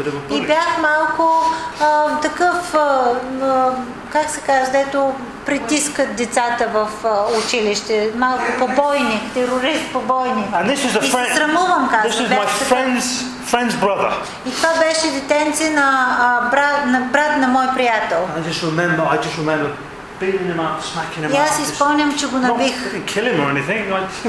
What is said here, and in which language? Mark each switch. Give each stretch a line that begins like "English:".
Bulgarian: И бях малко такъв, как се казва, дето притискат децата в училище, малко побойник, терорист побойник.
English: And this is a friend.
Bulgarian: И се срамувам, казвам.
English: This is my friend's brother.
Bulgarian: И това беше детенци на брат на мой приятел.
English: I just remember beating him up, smacking him up.
Bulgarian: И аз спомням, че го набих.
English: Not kill him or anything.